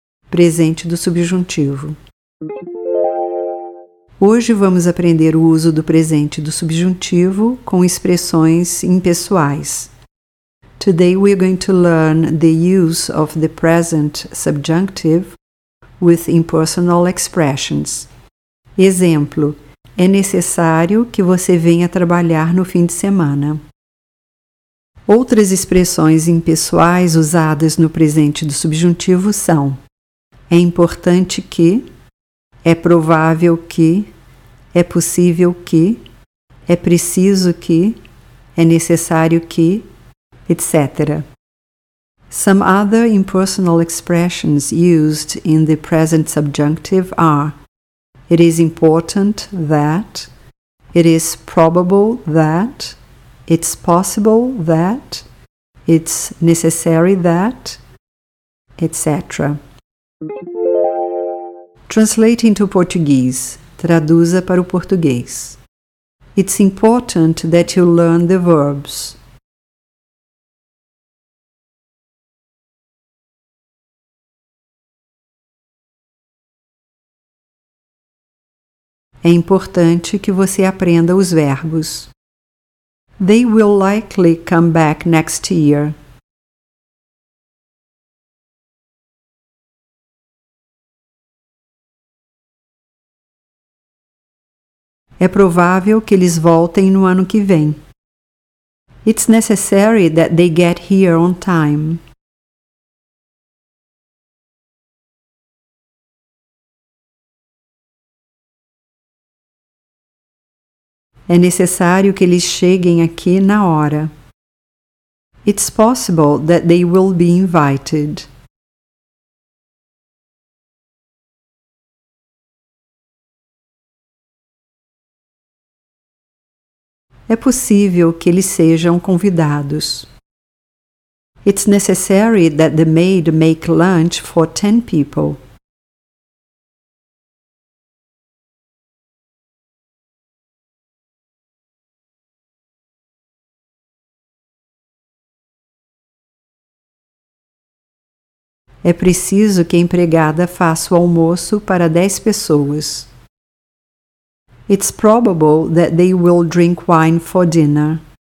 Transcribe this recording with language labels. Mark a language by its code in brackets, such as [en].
[pt] Presente do subjuntivo. Hoje vamos aprender o uso do presente do subjuntivo com expressões impessoais. [en] Today we are going to learn the use of the present subjunctive with impersonal expressions. [pt] Exemplo: é necessário que você venha trabalhar no fim de semana. Outras expressões impessoais usadas no presente do subjuntivo são: é importante que, é provável que, é possível que, é preciso que, é necessário que, etc. [en] Some other impersonal expressions used in the present subjunctive are: it is important that, it is probable that, it's possible that, it's necessary that, etc. Translate into Portuguese. [pt] Traduza para o português. [en] It's important that you learn the verbs. [pt] É importante que você aprenda os verbos. [en] They will likely come back next year. [pt] É provável que eles voltem no ano que vem. [en] It's necessary that they get here on time. [pt] É necessário que eles cheguem aqui na hora. [en] It's possible that they will be invited. [pt] É possível que eles sejam convidados. [en] It's necessary that the maid make lunch for 10 people. [pt] É preciso que a empregada faça o almoço para 10 pessoas. [en] It's probable that they will drink wine for dinner.